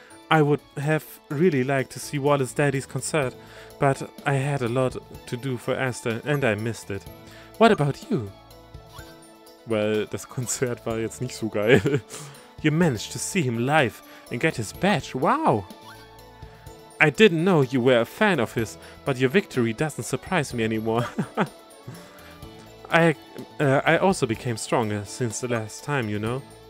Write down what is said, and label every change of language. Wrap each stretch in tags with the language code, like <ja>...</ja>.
<en>I would have really liked to see Wallace Daddy's concert, but I had a lot to do for Esther and I missed it. What about you?</en> <de>Well, das Konzert war jetzt nicht so geil.</de> <en>You managed to see him live and get his badge. Wow! I didn't know you were a fan of his, but your victory doesn't surprise me anymore. I also became stronger since the last time, you know.</en>